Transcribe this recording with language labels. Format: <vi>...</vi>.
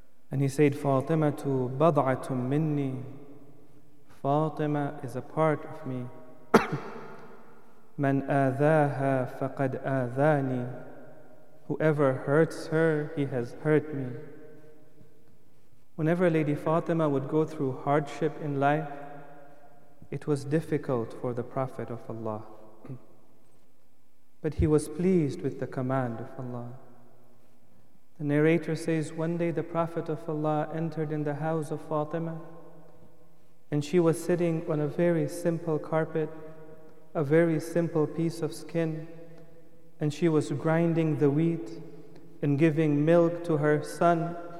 <en>And he said,</en> <ar>فاطمة بضعة مني.</ar> <en>Fatima is a part of me.</en> <ar>Man آذَاهَا فَقَدْ آذَانِي.</ar> <en>Whoever hurts her, he has hurt me. Whenever Lady Fatima would go through hardship in life, it was difficult for the Prophet of Allah. But he was pleased with the command of Allah. The narrator says, one day the Prophet of Allah entered in the house of Fatima, and she was sitting on a very simple carpet, a very simple piece of skin, and she was grinding the wheat and giving milk to her son.</en>